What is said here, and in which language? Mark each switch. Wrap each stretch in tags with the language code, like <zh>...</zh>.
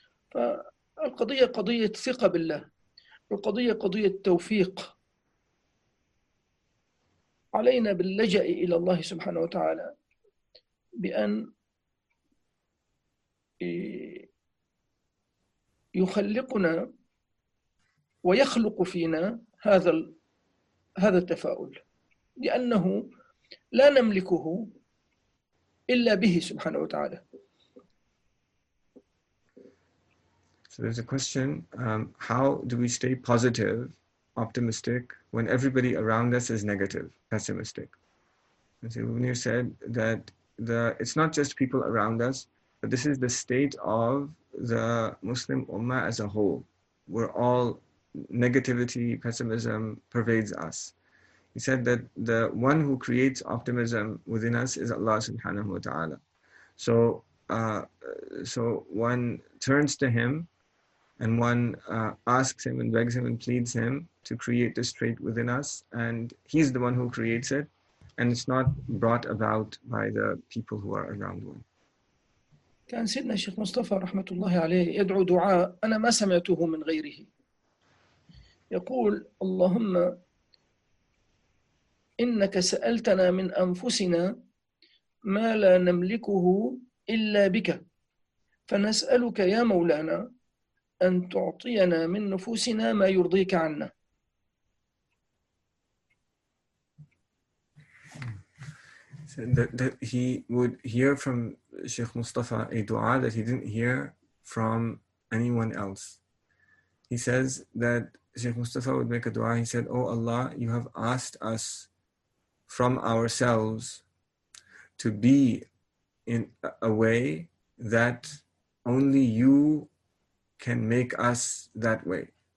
<ar>فالقضية قضية ثقة بالله، القضية قضية توفيق، علينا باللجأ إلى الله سبحانه وتعالى بأن يخلقنا ويخلق فينا هذا التفاؤل، لأنه لا نملكه إلا به سبحانه وتعالى.</ar> <en>So there's a question, how do we stay positive, optimistic, when everybody around us is negative, pessimistic? And so Munir said that it's not just people around us, but this is the state of the Muslim Ummah as a whole. We're all negativity, pessimism pervades us. He said that the one who creates optimism within us is Allah subhanahu wa ta'ala. So one turns to him, and one asks him and begs him and pleads him to create this trait within us, and he's the one who creates it, and it's not brought about by the people who are around one.</en> <ar>كان سيدنا الشيخ مصطفى رحمة الله عليه يدعو دعاء أنا ما سمعته من غيره، يقول اللهم إنك سألتنا من أنفسنا ما لا نملكه إلا بك، فنسألك يا مولانا أن تعطينا من نفوسنا ما يرضيك عنا.</ar> <en>So that he would hear from Sheikh Mustafa a dua that he didn't hear from anyone else. He says that Sheikh Mustafa would make a dua. He said, "Oh Allah, you have asked us from ourselves to be in a way that only you can make us that way.</en>